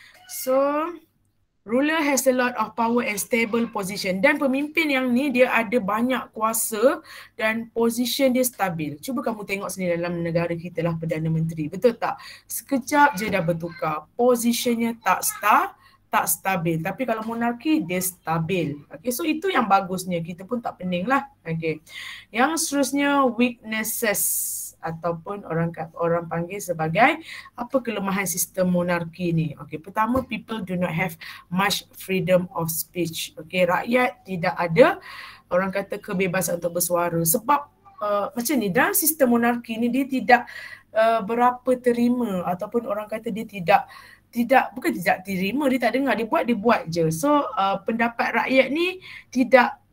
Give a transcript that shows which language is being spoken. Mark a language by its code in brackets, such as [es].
[en] So, ruler has a lot of power and stable position. [ms] Dan pemimpin yang ni dia ada banyak kuasa dan position dia stabil. Cuba kamu tengok sendiri dalam negara kita lah, Perdana Menteri. Betul tak? Sekejap je dah bertukar. Positionnya tak stabil. Tapi kalau monarki, dia stabil. Okay, so itu yang bagusnya. Kita pun tak pening lah. Okay. Yang seterusnya, weaknesses. Ataupun orang panggil sebagai apa kelemahan sistem monarki ni. [en] Okay, pertama, people do not have much freedom of speech. [ms] Okay, rakyat tidak ada orang kata kebebasan untuk bersuara. Sebab macam ni, dalam sistem monarki ni dia tidak berapa terima ataupun orang kata dia tidak terima, dia tak dengar, dia buat je. So pendapat rakyat ni tidak